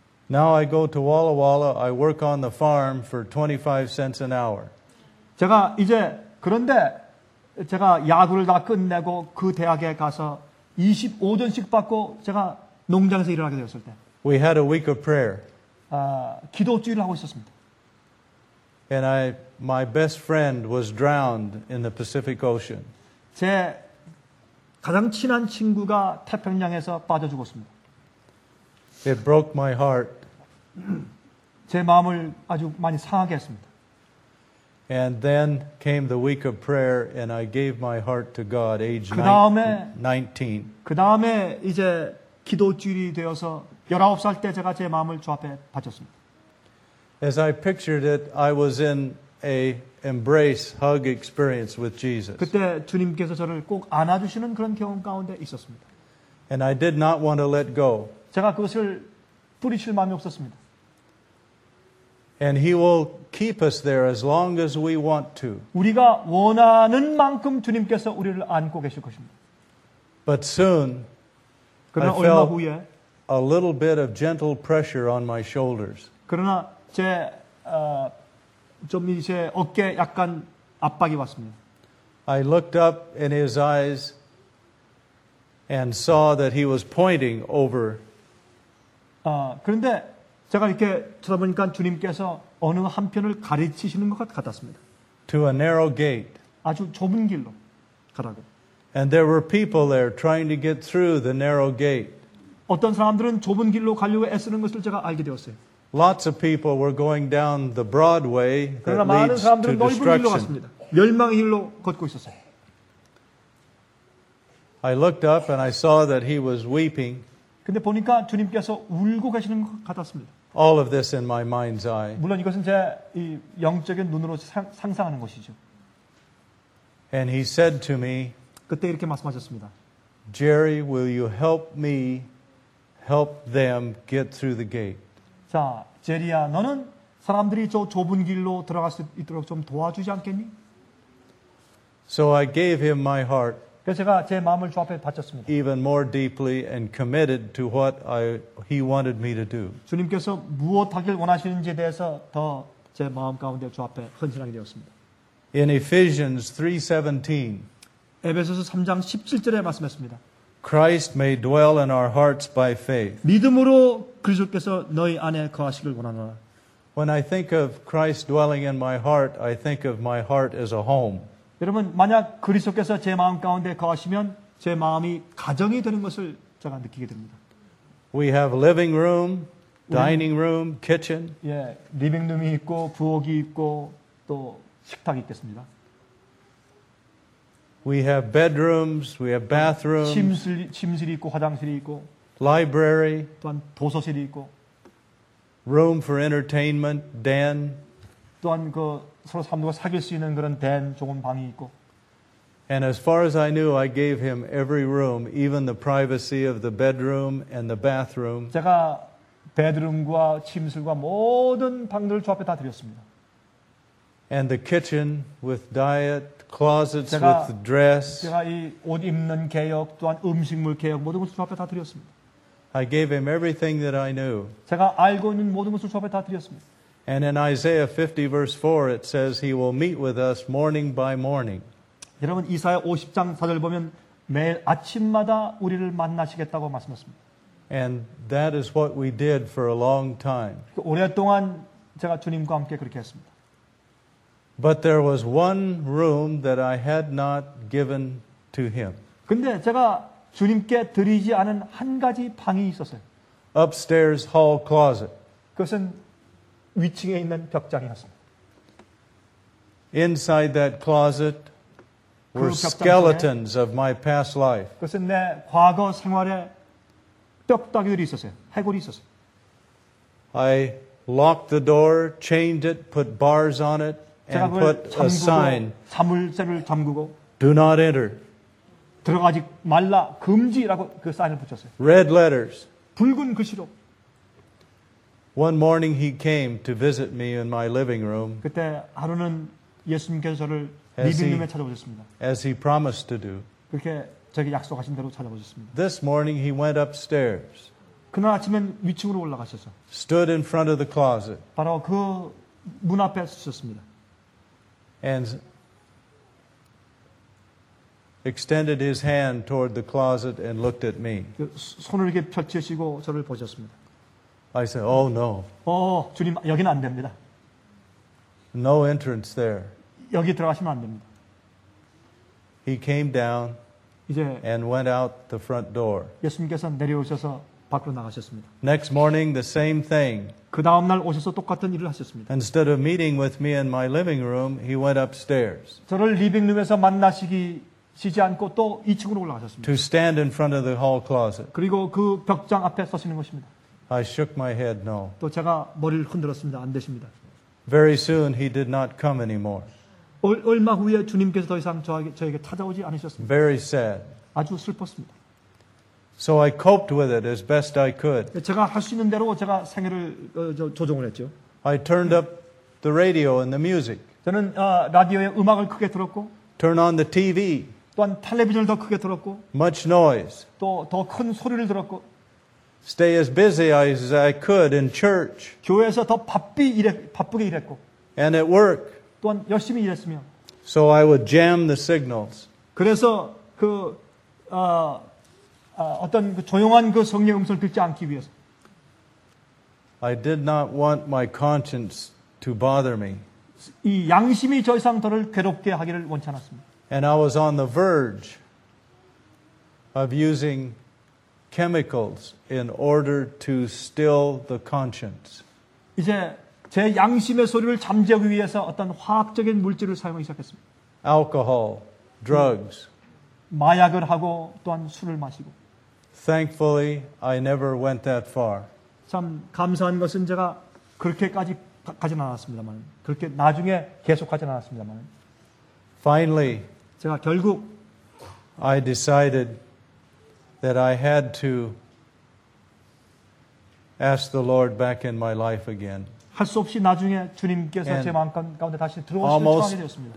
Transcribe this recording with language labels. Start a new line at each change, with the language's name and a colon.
English: Now I go to Walla Walla. I work on the farm for 25 cents an hour.
Korean: 제가 이제 그런데 제가 야구를 다 끝내고 그 대학에 가서 25전씩 받고 제가 농장에서 일을 하게 되었을 때.
English: We had a week of prayer.
Korean: 기도 주일을 하고 있었습니다.
English: And my best friend was drowned in the Pacific Ocean.
Korean: 제 가장 친한 친구가 태평양에서 빠져 죽었습니다.
English: It broke my heart.
Korean: 제 마음을 아주 많이 상하게 했습니다.
English: And then came the week of prayer and I gave my heart to God age 19.
Korean: 그다음에 이제 기도 주일이 되어서 19살 때 제가 제 마음을 주 앞에 바쳤습니다.
English: As I pictured it, I was in a embrace hug experience with Jesus.
Korean: 그때 주님께서 저를 꼭 안아 주시는 그런 경험 가운데 있었습니다.
English: And I did not want to let go.
Korean: 제가 그것을 뿌리칠 마음이 없었습니다.
English: And he will keep us there as long as we want to.
Korean: 우리가 원하는 만큼 주님께서 우리를 안고 계실 것입니다.
English: But soon,
Korean: 그러나 얼마 후에
English: a little bit of gentle pressure on my shoulders.
Korean: 그러나 제 좀 이제 어깨 약간 압박이 왔습니다.
English: I looked up in his eyes and saw that he was pointing over.
Korean: 그런데 제가 이렇게 쳐다보니까 주님께서 어느 한편을 가리치시는 것 같았습니다.
English: To a narrow gate.
Korean: 아주 좁은 길로 가라고.
English: And there were people there trying to get through the narrow gate.
Korean: 어떤 사람들은 좁은 길로 가려고 애쓰는 것을 제가 알게 되었어요.
English: Lots of people were going down the Broadway that leads to destruction.
Korean: 그러나 많은 사람들은 넓은 길로 갔습니다. 멸망의 길로 걷고 있었어요.
English: I looked up and I saw that he was weeping.
Korean: 근데 보니까 주님께서 울고 계시는 것 같았습니다.
English: All of this in my mind's eye.
Korean: 물론 이것은 제 영적인 눈으로 상상하는 것이죠.
English: And he said to me,
Korean: 그때 이렇게 말씀하셨습니다.
English: Jerry, will you help me help them get through the gate?
Korean: 자, 제리야, 너는 사람들이 저 좁은 길로 들어갈 수 있도록 좀 도와주지 않겠니?
English: So I gave him my heart.
Korean: 그래서 제가 제 마음을 주 앞에 바쳤습니다.
English: Even more deeply and committed to what he wanted me to do.
Korean: 주님께서 무엇하길 원하시는지에 대해서 더 제 마음 가운데 주 앞에 헌신하게 되었습니다.
English: In Ephesians 3:17.
Korean: 에베소서 3장 17절에 말씀했습니다.
English: Christ may dwell in our hearts by faith.
Korean: 믿음으로 그리스도께서 너희 안에 거하시길 원하노라.
English: When I think of Christ dwelling in my heart, I think of my heart as a home.
Korean: 여러분, 만약 그리스도께서 제 마음 가운데 거하시면 제 마음이 가정이 되는 것을 제가 느끼게 됩니다.
English: We have living room, dining room, kitchen.
Korean: 예, 리빙룸이 있고 부엌이 있고 또 식탁이 있겠습니다.
English: We have bedrooms, we have bathrooms.
Korean: 침실이 있고 화장실이 있고
English: library.
Korean: 또한 도서실이 있고
English: room for entertainment, den.
Korean: 또한 그 서로 사람들과 사귈 수 있는 그런 den 좋은 방이 있고.
English: And as far as I knew, I gave him every room, even the privacy of the bedroom and the bathroom.
Korean: 제가 베드룸과 침실과 모든 방들을 조합해 다 드렸습니다.
English: And the kitchen with diet, closets with dress.
Korean: 제가 이 옷 입는 개혁, 또한 음식물 개혁 모든 것을 조합해 다 드렸습니다.
English: I gave him everything that I knew.
Korean: 제가 알고 있는 모든 것을 주 앞에 다 드렸습니다.
English: And in Isaiah 50 verse 4 it says he will meet with us morning by morning.
Korean: 여러분 이사야 50장 4절 보면 매일 아침마다 우리를 만나시겠다고 말씀했습니다.
English: And that is what we did for a long time.
Korean: 오랫동안 제가 주님과 함께 그렇게 했습니다.
English: But there was one room that I had not given to him.
Korean: 근데 제가 주님께 드리지 않은 한 가지 방이 있었어요.
English: Upstairs hall closet.
Korean: 그것은 위층에 있는 벽장이었습니다.
English: Inside that closet were skeletons of my past life.
Korean: 그것은 내 과거 생활에 뼈다귀들이 있었어요. 해골이 있었어요.
English: I locked the door, chained it, put bars on it, and put a sign.
Korean: 사물쇠를 잠그고
English: Do not enter.
Korean: 들어가지 말라 금지라고 그 사인을 붙였어요.
English: Red letters.
Korean: 붉은 글씨로.
English: One morning he came to visit me in my living room.
Korean: 그때 하루는 예수님께서 저를 리빙룸에 찾아오셨습니다.
English: As he promised to do.
Korean: 그렇게 저에게 약속하신 대로 찾아오셨습니다.
English: This morning he went upstairs.
Korean: 그날 아침엔 위층으로 올라가셔서.
English: Stood in front of the closet.
Korean: 바로 그 문 앞에 서셨습니다.
English: And extended his hand toward the closet and looked at me.
Korean: 손을 이렇게 펼치시고 저를 보셨습니다.
English: I said, "Oh no."
Korean: 어, 주님 여기는 안 됩니다.
English: No entrance there.
Korean: 여기 들어가시면 안 됩니다.
English: He came down and went out the front door.
Korean: 예수님께서 내려오셔서 밖으로 나가셨습니다.
English: Next morning, the same thing.
Korean: 그 다음 날 오셔서 똑같은 일을 하셨습니다.
English: Instead of meeting with me in my living room, he went upstairs.
Korean: 저를 리빙룸에서 만나시기 쉬지 않고 또 2층으로 올라가셨습니다.
English: To stand in front of the hall closet.
Korean: 그리고 그 벽장 앞에 서시는 것입니다.
English: I shook my head no.
Korean: 또 제가 머리를 흔들었습니다. 안 되십니다.
English: Very soon he did not come anymore.
Korean: 얼마 후에 주님께서 더 이상 저에게 찾아오지 않으셨습니다.
English: Very sad.
Korean: 아주 슬펐습니다.
English: So I coped with it as best I could.
Korean: 제가 할 수 있는 대로 제가 생애를 조종을 했죠.
English: I turned up the radio and the music.
Korean: 저는 라디오의 음악을 크게 틀었고
English: Turn on the TV.
Korean: 또한 텔레비전을 더 크게 들었고
English: Much noise.
Korean: 또 더 큰 소리를 들었고
English: Stay as busy as I could in church.
Korean: 교회에서 더 바쁘게 일했고
English: And at work.
Korean: 또한 열심히 일했으며
English: So I would jam the signals.
Korean: 그래서 그 어떤 그 조용한 그 성령의 음성을 듣지 않기 위해서
English: I did not want my conscience to bother me.
Korean: 이 양심이 저 이상 저를 괴롭게 하기를 원치 않았습니다.
English: And I was on the verge of using chemicals in order to still the conscience.
Korean: 이제 제 양심의 소리를 잠재우기 위해서 어떤 화학적인 물질을 사용하기 시작했습니다.
English: Alcohol, drugs.
Korean: 마약을 하고 또한 술을 마시고.
English: Thankfully, I never went that far.
Korean: 참 감사한 것은 제가 그렇게까지 가지 않았습니다만 그렇게 나중에 계속하지 않았습니다만
English: Finally,
Korean: 제가 결국
English: I decided that I had to ask the Lord back in my life again.
Korean: 할 수 없이 나중에 주님께서 제 마음 가운데 다시 들어오시기를 청하게 되었습니다.